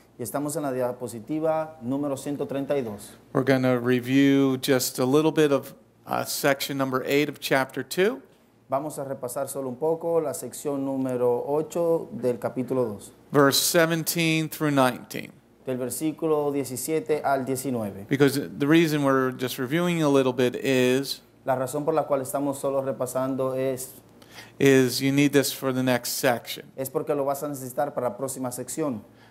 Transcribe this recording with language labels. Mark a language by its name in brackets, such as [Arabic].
[Spanish] Y estamos en la diapositiva número 132. [English] We're going to review just a little bit of section number 8 of chapter 2. [Spanish] Vamos a repasar solo un poco la sección número 8 del capítulo 2. [English] Verse 17 through 19. [Spanish] Del versículo 17 al 19. [English] Because the reason we're just reviewing a little bit is... [Spanish] La razón por la cual estamos solo repasando es... [English] Is you need this for the next section. [Spanish] Es porque lo vas a necesitar para la próxima sección.